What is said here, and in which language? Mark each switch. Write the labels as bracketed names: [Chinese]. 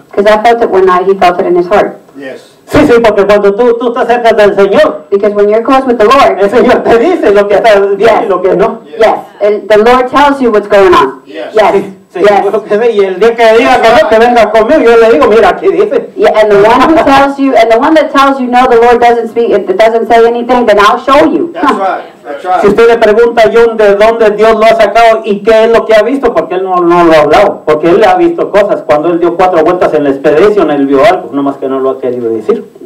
[English] Because I felt it when he felt it in his heart. Yes. [Spanish] Sí, sí, porque cuando tú estás cerca del Señor. [English] Because when you're close with the Lord. [Spanish] El Señor te dice lo que está bien y lo que no. [English] Yes. And the Lord tells you what's going on. Yes. Yes. [Spanish] Sí, sí, [English] yes. [Spanish] Y el día que diga que no, que venga conmigo, yo le digo, mira, aquí dice. [English] Yeah, and the one who tells you, and the one that tells you, no, the Lord doesn't speak, if it doesn't say anything, then I'll show you. That's right. [Spanish] Si usted le pregunta a John de dónde Dios lo ha sacado y qué es lo que ha visto, porque él no lo ha hablado, porque él ha visto cosas. Cuando él dio cuatro vueltas en la expedición, él vio algo, nomás que no lo ha querido decir.